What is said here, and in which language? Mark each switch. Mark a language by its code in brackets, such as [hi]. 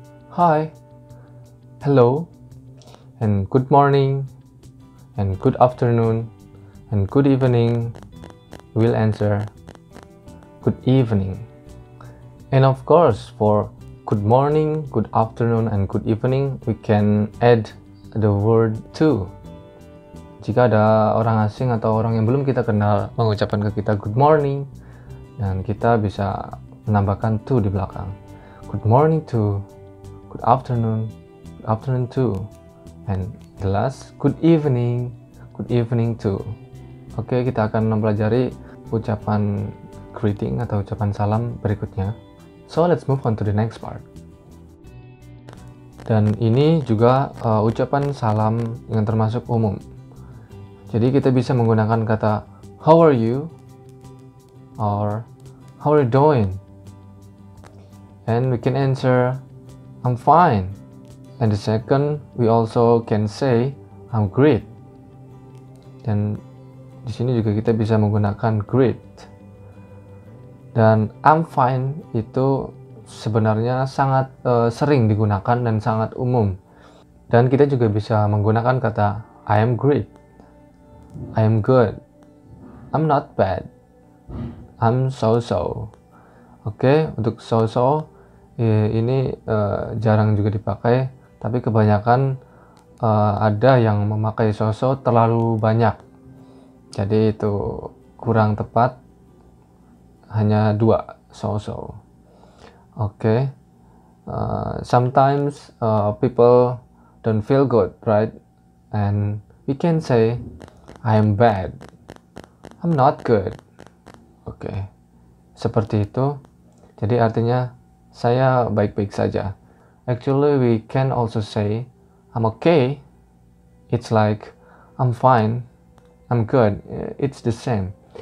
[en] Hi, hello, and good morning, and good afternoon, and good evening. We'll answer good evening. And of course, for good morning, good afternoon, and good evening, we can add the word too. [id] Jika ada orang asing atau orang yang belum kita kenal mengucapkan ke kita good morning, dan kita bisa menambahkan to di belakang. [en] Good morning to, good afternoon to, and the last, good evening to. [id] Oke, kita akan mempelajari ucapan greeting atau ucapan salam berikutnya. [en] So, let's move on to the next part. [id] Dan ini juga ucapan salam yang termasuk umum. Jadi, kita bisa menggunakan kata, [en] how are you? Or, how are you doing? And we can answer, I'm fine. And the second, we also can say, I'm great. [id] Dan di sini juga kita bisa menggunakan great. Dan I'm fine itu sebenarnya sangat sering digunakan dan sangat umum. Dan kita juga bisa menggunakan kata [en] I am great, I am good, I'm not bad, I'm so-so. [id] Oke, untuk so-so ini jarang juga dipakai, tapi kebanyakan ada yang memakai so-so terlalu banyak. Jadi itu kurang tepat, hanya dua, so-so. [en] Oke, sometimes people don't feel good, right? And we can say, I am bad, I'm not good. [id] Oke, seperti itu. Jadi artinya, saya baik-baik saja. [en] Actually, we can also say, I'm okay. It's like, I'm fine, I'm good, it's the same.